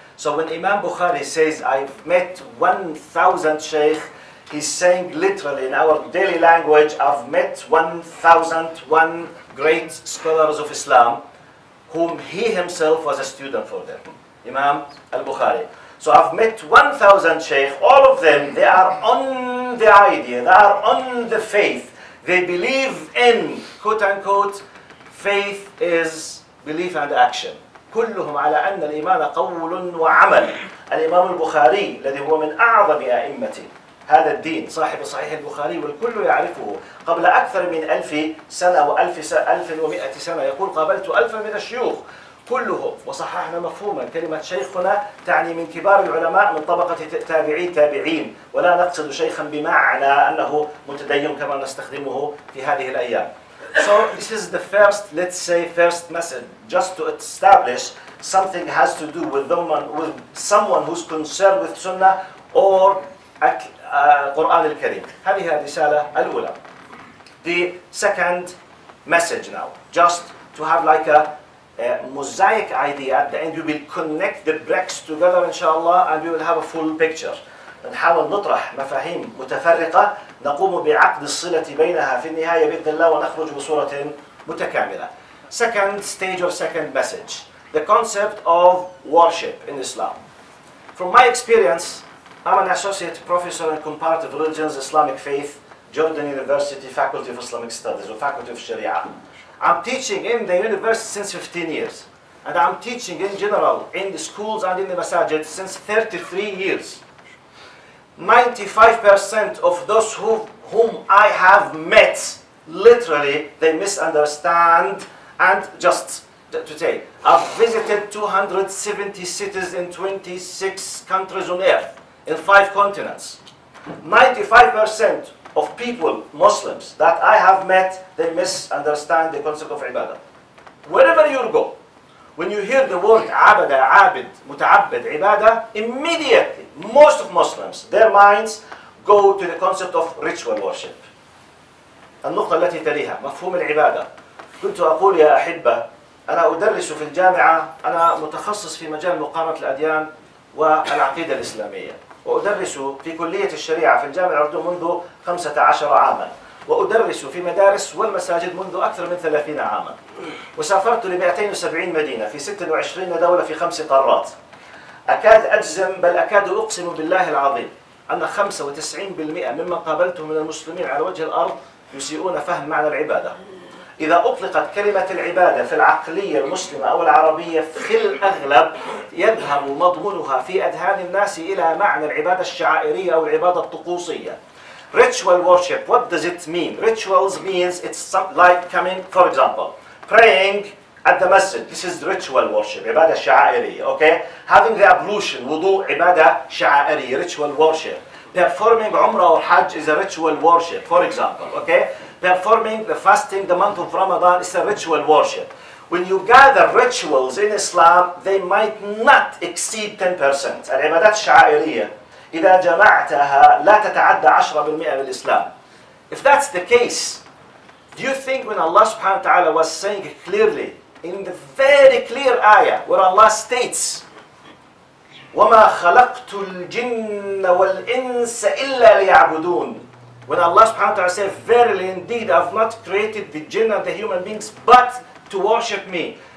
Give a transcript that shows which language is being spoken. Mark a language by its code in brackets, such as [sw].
[en] So when Imam Bukhari says, I've met 1,000 sheikh, he's saying literally in our daily language, I've met 1,001 great scholars of Islam, whom he himself was a student for them, Imam al-Bukhari. So I've met 1,000 sheikh, all of them, they are on the idea, they are on the faith. They believe in, quote unquote, faith is belief and action. [ar] كلهم على أن الإيمان قول وعمل. الإمام البخاري الذي هو من أعظم أئمة هذا الدين صاحب صحيح البخاري والكل يعرفه قبل أكثر من 1000 سنة و1100 سنة. يقول قابلت 1000 من الشيوخ كلهم وصححنا مفهوما. كلمة شيخ هنا تعني من كبار العلماء من طبقة تابعي تابعين، ولا نقصد شيخا بمعنى أنه متدين كما نستخدمه في هذه الأيام. [en] So this is the first, let's say, first message, just to establish something has to do with someone who's concerned with Sunnah or Quran al-Karim. [ar] هذه الرسالة الأولى. [en] The second message now, just to have like a mosaic idea, at the end you will connect the bricks together, inshallah, and you will have a full picture. [ar] نحاول نطرح مفاهيم متفرقة نقوم بعقد الصلة بينها في النهاية بإذن الله ونخرج بصورة متكاملة. [en] Second stage or second message, the concept of worship in Islam. From my experience, I'm an associate professor in comparative religions, Islamic faith, Jordan University Faculty of Islamic Studies, or Faculty of Sharia. I'm teaching in the university since 15 years, and I'm teaching in general in the schools and in the masajid since 33 years. 95% of those whom I have met, literally, they misunderstand. And just today, I've visited 270 cities in 26 countries on earth, in 5 continents. 95% of people, Muslims, that I have met, they misunderstand the concept of ibadah. Wherever you go, when you hear the word abada, abid, muta'abid, ibadah, immediately, most of Muslims, their minds go to the concept of ritual worship. [ar] النقطة التي تليها مفهوم العبادة. كنت أقول يا أحبة، أنا أدرس في الجامعة، أنا متخصص في مجال مقامة الأديان والعقيدة الإسلامية، وأدرس في كلية الشريعة في الجامعة الأردنية منذ 15 عاماً، وأدرس في مدارس والمساجد منذ أكثر من 30 عاماً، وسافرت ل 270 مدينة في 26 دولة في 5 قارات. أكاد أجزم، بل أكاد أقسم بالله العظيم، أن 95% ممن قابلته من المسلمين على وجه الأرض يسيئون فهم معنى العبادة. إذا أطلقت كلمة العبادة في العقلية المسلمة أو العربية في الأغلب يذهب مضمونها في أذهان الناس إلى معنى العبادة الشعائرية أو العبادة الطقوسية. [en] Ritual worship, what does it mean? Rituals means it's some, like coming, for example, praying at the masjid, this is ritual worship, [ar] عبادة شعائرية, [en] okay? Having the ablution, wudu, [ar] عبادة شعائرية, [en] ritual worship. Performing Umrah or Hajj is a ritual worship, for example, okay? Performing the fasting, the month of Ramadan, is a ritual worship. When you gather rituals in Islam, they might not exceed 10%. [ar] العبادات الشعائرية, إذا جمعتها لا تتعدى 10% من الإسلام. [en] If that's the case, do you think when Allah subhanahu wa ta'ala was saying clearly, in the very clear ayah where Allah states, [ar] وَمَا خَلَقْتُ الْجِنَّ وَالْإِنسَ إِلَّا لِيَعْبُدُونَ, [en] when Allah subhanahu wa ta'ala says, verily indeed, I have not created the jinn and the human beings but to worship me.